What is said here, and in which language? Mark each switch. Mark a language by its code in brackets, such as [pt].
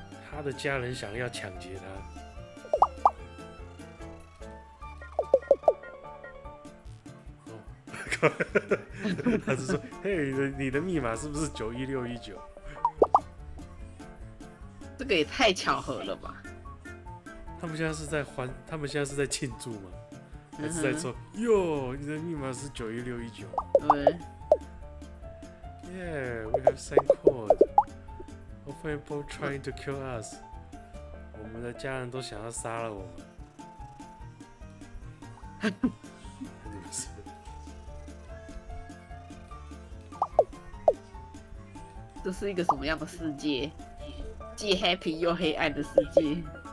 [zh] 他的家人想要抢劫他，他是说：“嘿，你的密码是不是91619？” 这个也太巧合了吧！他们现在是在欢，他们现在是在庆祝吗？还是在说：“哟，你的密码是91619？” 对。 [en] Yeah, we have same code. All people trying to kill us. [zh] 我们的家人都想要杀了我们。你不是？这是一个什么样的世界？既 happy 又黑暗的世界。